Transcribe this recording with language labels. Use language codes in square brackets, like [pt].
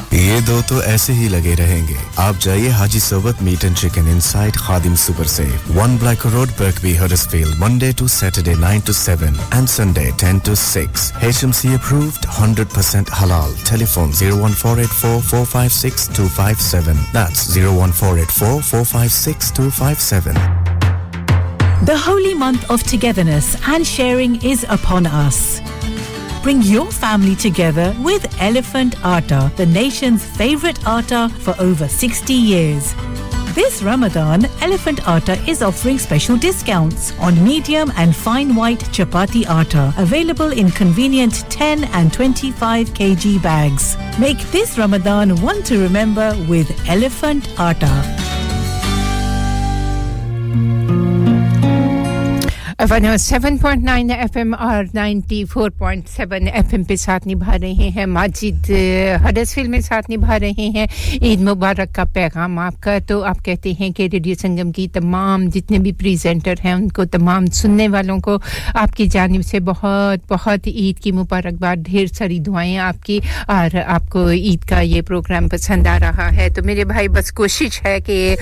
[pa] ਇਹ ਦੋ ਤੋਂ ਐਸੇ ਹੀ ਲਗੇ ਰਹੇਗੇ ਆਪ ਜਾਈਏ [en] Haji Sarwat meat and chicken inside Khadim super safe 1 black road Birkby Huddersfield Monday to Saturday 9 to 7 and Sunday 10 to 6 HMC approved 100% ਹਲਾਲ telephone 01484456257 that's 01484456257 The holy month of togetherness and sharing is upon us. Bring your family together with Elephant Atta, the nation's favorite atta for over 60 years. This Ramadan, Elephant Atta is offering special discounts on medium and fine white chapati atta, available in convenient 10 and 25 kg bags. Make this Ramadan one to remember with Elephant Atta. [hi] FN 7.9 FM और 94.7 FM पे साथ निभा रहे हैं Majid Huddersfield में साथ निभा रहे हैं ईद मुबारक का पैगाम आपका तो आप कहते हैं कि रेडियो संगम की तमाम जितने भी प्रेजेंटर हैं उनको तमाम सुनने वालों को आपकी जानिब से बहुत बहुत ईद की मुबारकबाद ढेर सारी दुआएं आपकी और आपको ईद का ये प्रोग्राम पसंद आ रहा है तो मेरे भाई बस कोशिश है कि